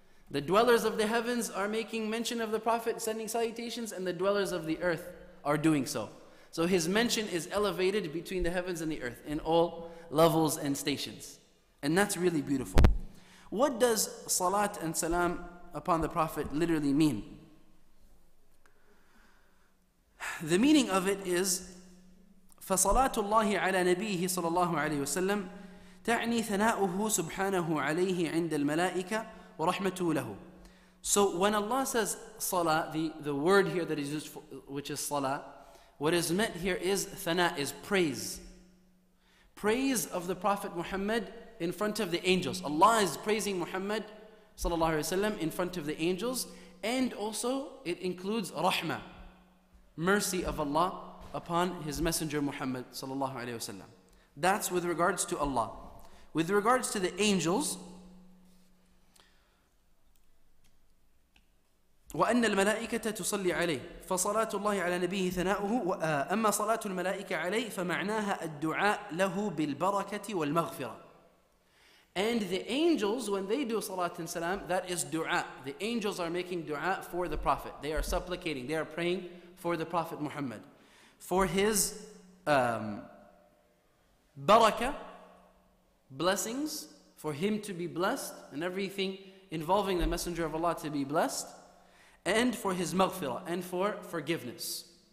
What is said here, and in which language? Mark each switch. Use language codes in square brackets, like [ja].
[en] The dwellers of the heavens are making mention of the Prophet, sending salutations, and the dwellers of the earth are doing so. So his mention is elevated between the heavens and the earth in all levels and stations. And that's really beautiful. What does salat and salam upon the Prophet literally mean? The meaning of it is, [ar] فَصَلَاتُ اللَّهِ عَلَى نَبِيهِ صَلَى اللَّهُ عَلَيْهِ وَسَلَّمْ تَعْنِي ثَنَاؤُهُ سُبْحَانَهُ عَلَيْهِ عِنْدَ الْمَلَائِكَ وَرَحْمَتُهُ لَهُ. [en] So when Allah says salah, the word here that is used, which is salah, what is meant here is thana, is praise. Praise of the Prophet Muhammad in front of the angels. Allah is praising Muhammad sallallahu alaihi wasallam in front of the angels, and also it includes rahmah, mercy of Allah upon His Messenger Muhammad sallallahu alaihi wasallam. That's with regards to Allah. With regards to the angels, [ar] وأن الملائكة تصلي عليه فصلاة الله على نبيه ثناؤه وأما صلاة الملائكة عليه فمعناها الدعاء له بالبركة والمغفرة. [en] And the angels, when they do salat and salam, that is dua. The angels are making dua for the Prophet. They are supplicating, they are praying for the Prophet Muhammad, for his barakah, blessings, for him to be blessed, and everything involving the Messenger of Allah to be blessed, and for his maghfirah, and for forgiveness.